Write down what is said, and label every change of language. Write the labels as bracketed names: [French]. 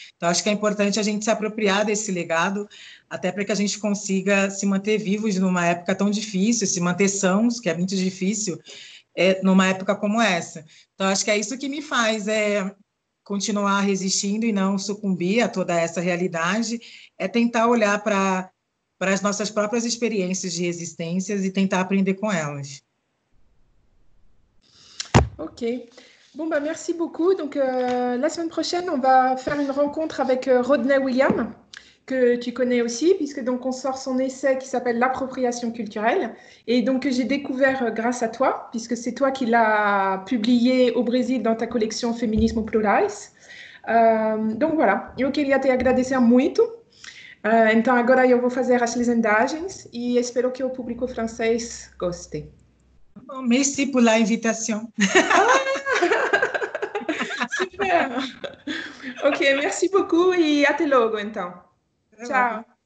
[Portuguese] Então, acho que é importante a gente se apropriar desse legado, até para que a gente consiga se manter vivos numa época tão difícil, se manter sãos, que é muito difícil, numa época como essa. Então, acho que é isso que me faz continuar resistindo e não sucumbir a toda essa realidade, é tentar olhar para as nossas próprias experiências de resistências e tentar aprender com elas. [French] Ok. Bon, bah, merci beaucoup. Donc, la semaine prochaine, on va faire une rencontre avec Rodney William, que tu connais aussi, puisque donc on sort son essai qui s'appelle L'appropriation culturelle. Et donc, que j'ai découvert grâce à toi, puisque c'est toi qui l'as publié au Brésil dans ta collection Feminismo Pluralis. Donc, voilà. [Portuguese] Eu queria te agradecer muito. Então, agora eu vou fazer as legendagens e espero que o público francês goste. [French] Merci pour l'invitation. [Portuguese] Ok, [French] merci beaucoup [Portuguese] e até logo, então. Tchau.